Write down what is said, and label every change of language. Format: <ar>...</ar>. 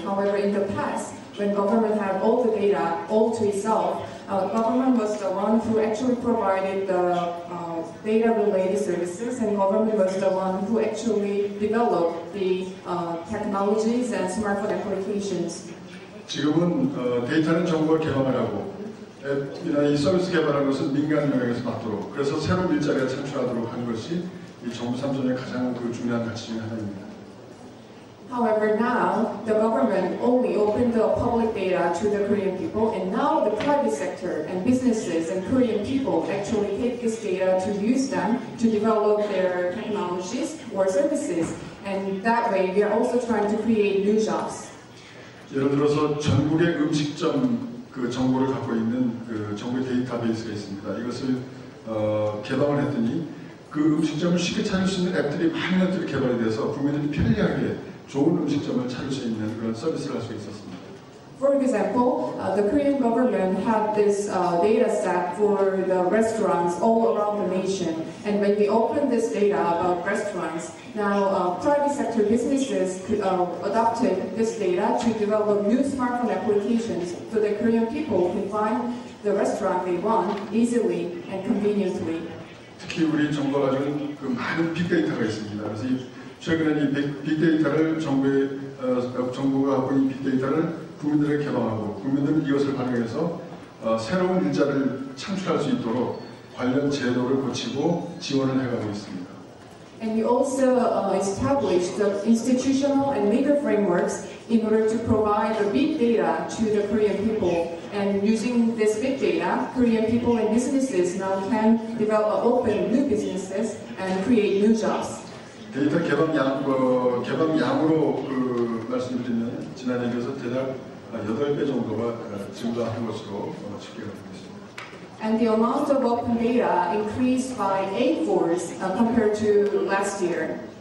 <en>However, in the past, when government had all the data all to itself, government was the one who actually provided the data-related services, and government was the one who actually developed the technologies and smartphone applications.</en> <ko>지금은 데이터는 정부가 개발을 하고 앱이나 이 서비스 개발하는 것은 민간 영역에서 맡도록 그래서 새로운 일자리를 창출하도록 하는 것이 이 정부 3.0의 가장 그 중요한 가치 중 하나입니다.</ko> <en>However, now the government only opened the public data to the Korean people, and now the private sector and businesses and Korean people actually take this data to use them to develop their technologies or services. And that way, we are also trying to create new jobs.</en> <ko>예를 들어서 전국의 음식점 그 정보를 갖고 있는 그 정보 데이터베이스가 있습니다. 이것을 개방을 했더니 그 음식점을 쉽게 찾을 수 있는 앱들이 많은 앱들이 개발이 돼서 국민들이 편리하게 좋은 음식점을 찾을 수 있는 그런 서비스를 할 수 있었습니다.</ko> <en>For example, the Korean government had this data set for the restaurants all around the nation. And when we opened this data about restaurants, now private sector businesses adopted this data to develop new smartphone applications so that Korean people can find the restaurant they want easily and conveniently.</en> <ko>특히 우리 정부 가지고 그 많은 빅데이터가 있습니다. 그래서 최근에 이 빅데이터를 정부가 갖고 있는 빅데이터를 국민들에게 개방하고 국민들은 이것을 활용해서 새로운 일자를 창출할 수 있도록 관련 제도를 고치고 지원을 해가고 있습니다.</ko> <en>And we also established the institutional and legal frameworks in order to provide the big data to the Korean people. And using this big data, Korean people and businesses now can develop open new businesses and create new jobs.</en> <ko>데이터 개방 양으로 그 말씀드리면 지난해 비해서 대략 8배 정도가 증가한 것으로 집계가 됐습니다.</ko> <en>And the amount of open data increased by 8x compared to last year.</en>